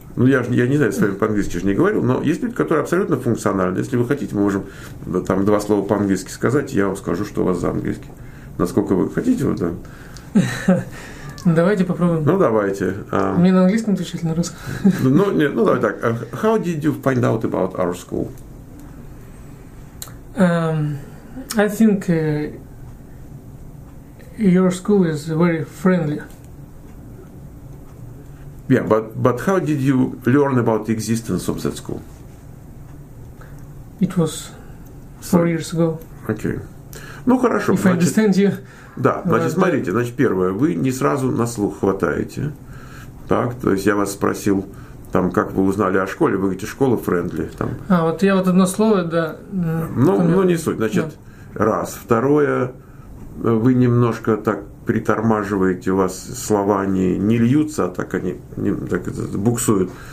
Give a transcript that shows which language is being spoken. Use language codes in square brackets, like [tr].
[ru] Ну, я не знаю, с вами по-английски же не говорил, но есть люди, которые абсолютно функциональны. Если вы хотите, мы можем там 2 слова по-английски сказать, я вам скажу, что у вас за английский. Насколько вы хотите, вот там. Давайте попробуем. Ну, давайте. Мне на английском отвечать, на русском. Ну, давай так. [en] How did you find out about our school? I think... Your school is very friendly. Yeah, but how did you learn about the existence of that school? It was 4 years ago. [ru] Okay. Ну, хорошо. [en] If, значит, I understand you. [ru] Да, значит, смотрите, значит, первое, вы не сразу на слух хватаете. Так, то есть я вас спросил, там, как вы узнали о школе, вы говорите, школа friendly. Там. А, вот я вот одно слово, да. Ну, не суть, значит, да. Раз. Второе... Вы немножко так притормаживаете, у вас слова не льются, а так они так буксуют.